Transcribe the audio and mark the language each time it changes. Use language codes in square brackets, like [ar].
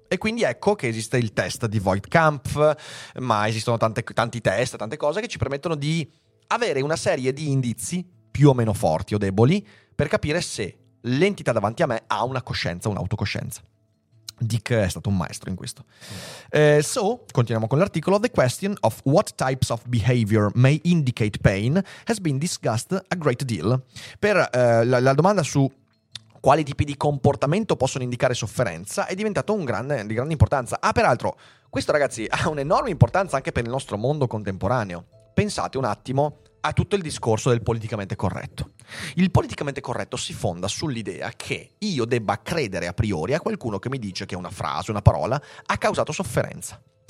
[it] E quindi ecco che esiste il test di Voight-Kampff, ma esistono tanti test, tante cose che ci permettono di avere una serie di indizi più o meno forti o deboli per capire se l'entità davanti a me ha una coscienza, un'autocoscienza. Dick è stato un maestro in questo. So, continuiamo con l'articolo. [en] The question of what types of behavior may indicate pain has been discussed a great deal. [it] Per la domanda su quali tipi di comportamento possono indicare sofferenza è diventato di grande importanza. Ah, peraltro, questo, ragazzi, ha un'enorme importanza anche per il nostro mondo contemporaneo. Pensate un attimo a tutto il discorso del politicamente corretto. Il politicamente corretto si fonda sull'idea che io debba credere a priori a qualcuno che mi dice che una frase, una parola, ha causato sofferenza.